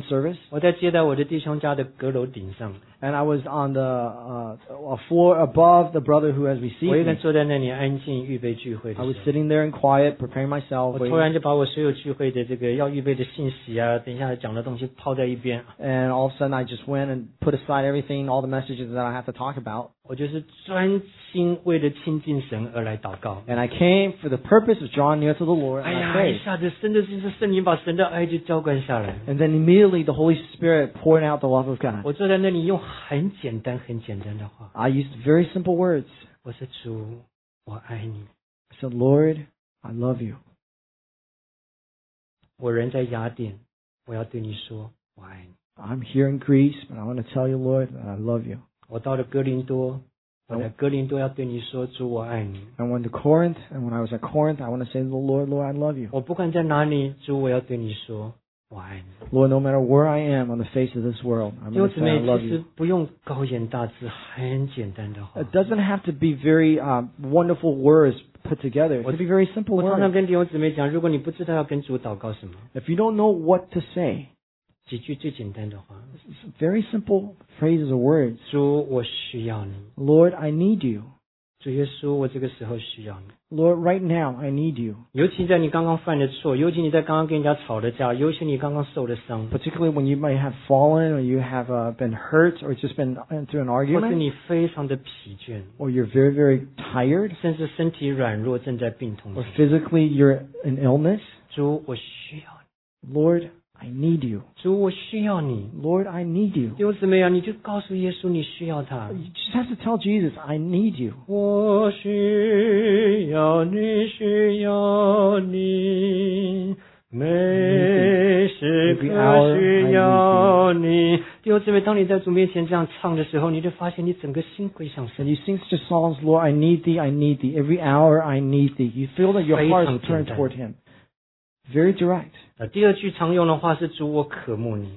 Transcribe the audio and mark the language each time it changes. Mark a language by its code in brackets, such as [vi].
[en] service. [zh] 我在接待我的弟兄家的阁楼顶上。 [en] And I was on the floor above the brother who has received me. [zh] 我一个人坐在那里安静预备聚会的时候。 [en] I was sitting there in quiet, preparing myself. [zh] 我突然就把我所有聚会的这个要预备的信息啊，等一下讲的东西抛在一边。 [en] And all of a sudden, I just went and put aside everything, all the messages that I have to talk about. [zh] 我就是专心为了亲近神而来祷告。 [en] And I came for the purpose of drawing near to the Lord. [zh] 哎呀，一下子真的是圣灵把神的爱就浇灌下来。 [en] And then immediately, the Holy Spirit poured out the love of God. [zh] 我坐在那里用很简单很简单的话。 [en] I used very simple words. [zh] 我说主，我爱你。 [en] I said, Lord, I love you. [zh] 我人在雅典，我要对你说，我爱你。 [en] I'm here in Greece, but I want to tell you, Lord, that I love you. [zh] 我到了哥林多，我在哥林多要对你说，主我爱你。 [en] I went to Corinth, and when I was at Corinth, I want to say to the Lord, Lord, I love you. [zh] 我不管在哪里，主我要对你说，我爱你。 [en] Lord, no matter where I am on the face of this world, I'm going to say I love you. [zh] 不用高言大志，很简单的话。 [en] It doesn't have to be very wonderful words. Put together. It could be very simple words. [zh] 我常常跟弟兄姊妹讲，如果你不知道要跟主祷告什么 [en] ，If you don't know what to say, [zh] 几句最简单的话 [en] ，Very simple phrases or words. [zh] 主，我需要你。 [en] Lord, I need you. [zh] 主耶稣，我这个时候需要你。 [en] Lord, right now, I need you. [zh] 尤其在你刚刚犯的错，尤其你在刚刚跟人家吵的架，尤其你刚刚受的伤 [en] ，Particularly when you might have fallen or you have been hurt or just been through an argument. [zh] 或者你非常的疲倦 [en] ，or you're very, very tired. [zh] 甚至身体软弱，正在病痛。 [en] Or physically, you're in illness. [zh] 主，我需要你。 [en] Lord, I need you. [zh] 主，我需要你。 [en] Lord, I need you. [zh] 弟兄姊妹啊，你就告诉耶稣你需要他。 [en] You just have to tell Jesus, I need you. [zh] 我需要你，需要你，每时刻需要你。弟兄姊妹，当你在主面前这样唱的时候，你就发现你整个心归向神。 [en] And you sing such songs, Lord, I need thee, I need thee. Every hour, I need thee. You feel that your heart is turned toward Him. Very direct. [zh] 第二句常用的话是主，我渴慕你。